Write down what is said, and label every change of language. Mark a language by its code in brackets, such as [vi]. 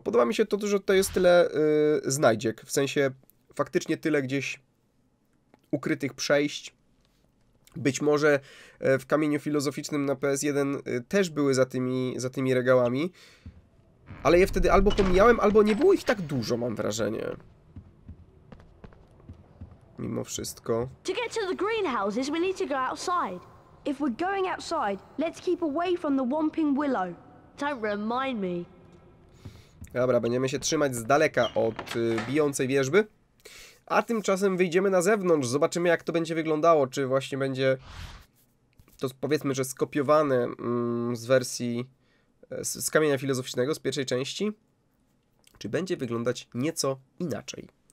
[pl] Podoba mi się to, że to jest tyle znajdziek. W sensie faktycznie tyle gdzieś ukrytych przejść. Być może w Kamieniu Filozoficznym na PS1 też były za tymi regałami. Ale je wtedy albo pomijałem, albo nie było ich tak dużo, mam wrażenie. Mimo wszystko. [en] To get to the greenhouses, we need to go outside. If we're going outside, let's keep away from the Whomping Willow. Don't remind me. [pl] Dobra, będziemy się trzymać z daleka od bijącej wierzby. A tymczasem wyjdziemy na zewnątrz, zobaczymy jak to będzie wyglądało, czy właśnie będzie to, powiedzmy, że skopiowane z wersji z Kamienia Filozoficznego, z pierwszej części, czy będzie wyglądać nieco inaczej.